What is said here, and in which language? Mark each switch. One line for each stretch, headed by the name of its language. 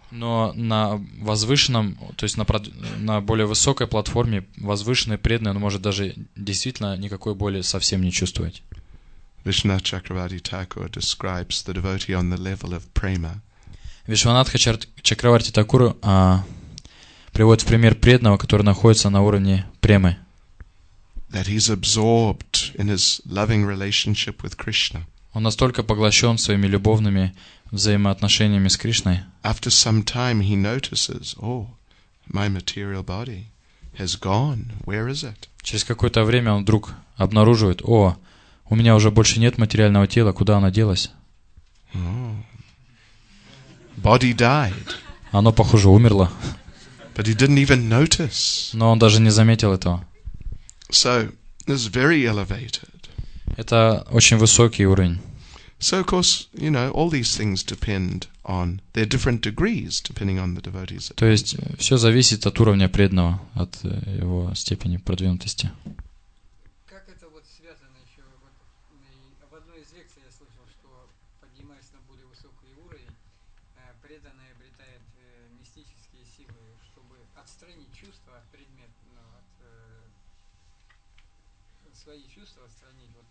Russian: Но на возвышенном, то есть на более высокой платформе, возвышенный преданный, он может даже действительно никакой боли совсем не чувствовать.
English: Вишванатха Чакраварти Такур describes the devotee on the level of prema.
Russian: Вишванатха Чакраварти Такур приводит в пример преданного, который находится на уровне премы.
English: That he's absorbed in his loving relationship with Krishna.
Russian: Он настолько поглощен своими любовными взаимоотношениями с Кришной.
English: After some time he notices, oh, my material body has gone. Where is it?
Russian: Через какое-то время он вдруг обнаруживает, о, у меня уже больше нет материального тела, куда оно делось?
English: Oh. Body died.
Russian: Оно, похоже, умерло.
English: But he didn't even notice.
Russian: Но он даже не заметил этого.
English: So, this is very elevated.
Russian: Это очень высокий уровень.
English: So, of course, you know, all these things depend on their different degrees, depending on the devotee's.
Russian: То есть все зависит от уровня преданного, от его степени продвинутости. Как это вот связано еще в одной из лекций я слышал, что поднимаясь на более высокий уровень, преданный обретает мистические силы, чтобы отстранить чувства от предмета, от свои чувства отстранить.